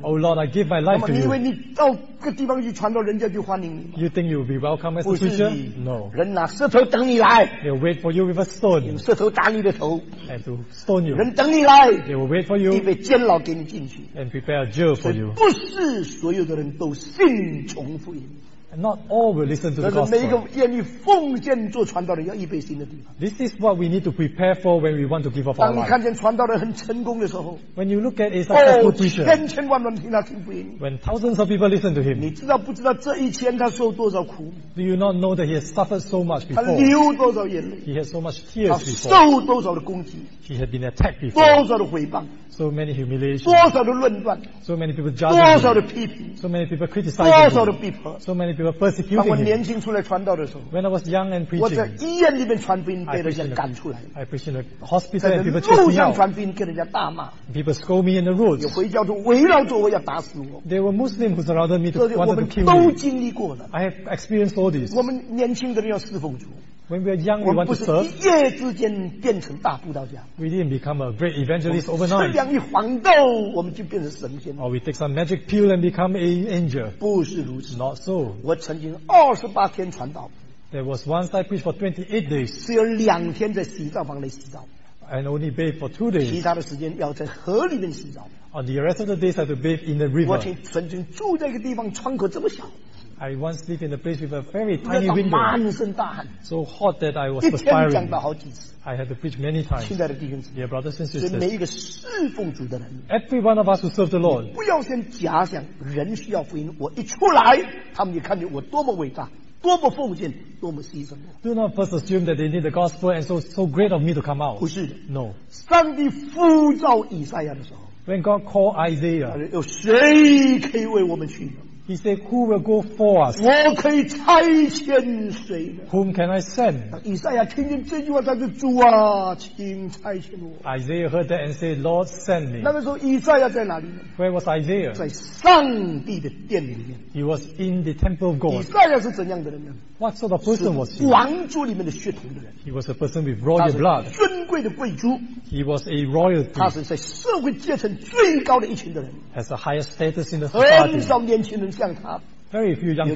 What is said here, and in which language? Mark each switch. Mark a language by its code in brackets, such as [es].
[en] O Lord, I give my life to you. [zh] 你以为你到个地方去传道，人家就欢迎你 [en] ？You think you'll be welcome as a preacher? No. [zh] 人拿石头等你来。 [en] They'll wait for you with a stone. [zh] 用石头打你的头。 [en] And to stone you. [zh] 人等你来。 [en] They will wait for you. [zh] 预备监牢给你进去。 [en] And prepare a jail for you. [zh] 不是所有的人都信从福音。 [en] Not all will listen to the gospel. [zh] 每一个愿意奉献做传道的，要预备心的地方。 [en] This is what we need to prepare for when we want to give up our life. [zh] 当你看见传道的很成功的时候 [en] ，When you look at a successful preacher, [zh] 千千万万听他听福音。 [en] When thousands of people listen to him, [zh] 你知道不知道这一千他受多少苦 [en] ？Do you not know that he has suffered so much before? [zh] 他流多少眼泪 [en] ？He has so much tears before. [zh] 他受多少的攻击 [en] ？He had been attacked before. [zh] 多少的毁谤 [en] ？So many humiliations. [zh] 多少的论断 [en] ？So many people judging. [zh] 多少的批评 [en] ？So many people criticizing. [zh] 多少的逼迫 [en] ？So many people persecuting him. [zh] 当我年轻出来传道的时候 [en] ，When I was young and preaching, [zh] 我在医院里面传福音。被人家赶出来 [en] I preached in a hospital and people chased me out. [zh] 在路上传福音给人家大骂 [en] People scold me in the roads. [zh] 有回教徒围绕着我要打死我 [en] There were Muslims who surrounded me to want to kill me. [zh] 我们都经历过了 [en] I have experienced all this. [zh] 我们年轻的人要侍奉主 [en] When we are young, we want to serve. [zh] 我们不是一夜之间变成大布道家 [en] We didn't become a great evangelist overnight. [zh] 吃两粒黄豆我们就变成神仙 [en] Or we take some magic pill and become an angel. [zh] 不是如此 [en] Not so. [zh] 我曾经28天传道 [en] There was once I preached for 28 days. [zh] 只有两天在洗澡房里洗澡。 [en] And only bathed for 2 days. [zh] 其他的时间要在河里面洗澡。 [en] On the rest of the days, I had to bathe in the river. [zh] 我曾经住在一个地方，窗口这么小。 [en] I once lived in a place with a very tiny window. [zh] 满身大汗。 [en] So hot that I was perspiring. [zh] 一天讲到好几次。 [en] I had to preach many times. [zh] 亲爱的弟兄姊妹 [en] ，Dear brothers and sisters. [zh] 所以每一个侍奉主的人 [en] ，Every one of us who serve the Lord. [zh] 不要先假想人需要福音，我一出来，他们就看见我多么伟大。多么奉献，多么牺牲。 [en] Do not first assume that they need the gospel and so great of me to come out. [zh] 不是的 [en] ，No. [zh] 上帝呼召以赛亚的时候 [en] ，When God called Isaiah, [zh] 有谁可以为我们去呢 [en] ？He said, "Who will go for us?" [zh] 我可以差遣谁呢 [en] ？Whom can I send? [zh] 以赛亚听见这句话，他就主啊，请差遣我。 [en] Isaiah heard that and said, "Lord, send me." [zh] 那个时候，以赛亚在哪里 [en] ？Where was Isaiah? [zh] 在上帝的殿里面。 [en] He was in the temple of God. [zh] 以赛亚是怎样的人呢 [en] ？What sort of person was he? [zh] 王族里面的血统的人。 [en] He was a person with royal blood. [zh] 尊贵的贵族。 [en] He was a royal. [zh] 他是在社会阶层最高的一群的人。 [en] Has the highest status in the society. [zh] 很少年轻人像他。 [en] Very few young people like him.